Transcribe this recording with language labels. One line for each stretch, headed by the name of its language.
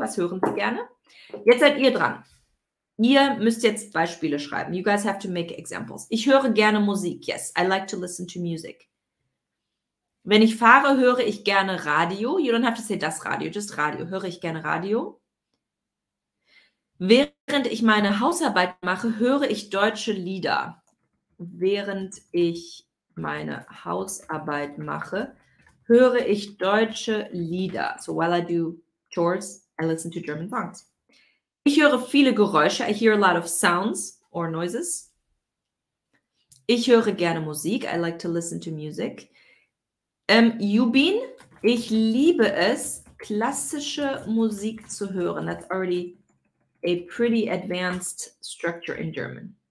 German: Was hören Sie gerne? Jetzt seid ihr dran. Ihr müsst jetzt Beispiele schreiben.
English: You guys have to make examples.
German: Ich höre gerne Musik.
English: Yes, I like to listen to music.
German: Wenn ich fahre, höre ich gerne Radio.
English: You don't have to say das Radio, just Radio.
German: Höre ich gerne Radio. Während ich meine Hausarbeit mache, höre ich deutsche Lieder. Während ich meine Hausarbeit mache, höre ich deutsche Lieder.
English: So while I do chores, I listen to German songs.
German: Ich höre viele Geräusche.
English: I hear a lot of sounds or noises.
German: Ich höre gerne Musik.
English: I like to listen to music.
German: Jubin, ich liebe es, klassische Musik zu hören.
English: That's already a pretty advanced structure in German.